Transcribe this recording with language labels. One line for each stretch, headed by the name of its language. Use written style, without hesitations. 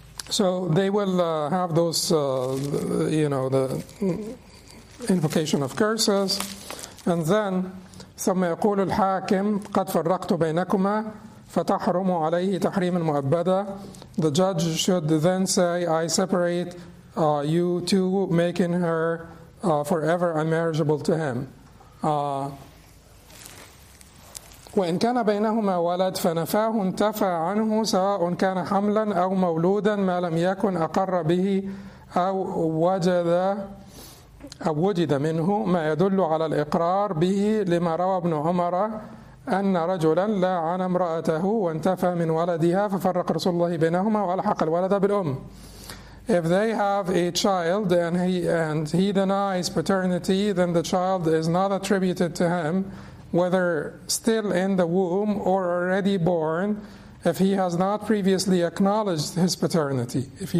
English: So they will have those, you know, the invocation of curses, and then
Arabic: ثم يقول الحاكم قد فرقت بينكما فتحرم عليه تحريم المؤبدة.
English: The judge should then say, I separate you two, making her forever unmarriageable to him.
Arabic: وإن كان بينهما ولد فنفاه انتفى عنه سواء كان حملا أو مولودا ما لم يكن أقر به أو وجد أو وجد منه ما يدل على الإقرار به لما روى ابن عمر أن رجلا لعن امرأته وانتفى من ولدها ففرق رسول الله بينهما وألحق الولد بالأم.
English: If they have a child and he denies paternity, then the child is not attributed to him, whether still in the womb or already born, if he has not previously acknowledged his paternity.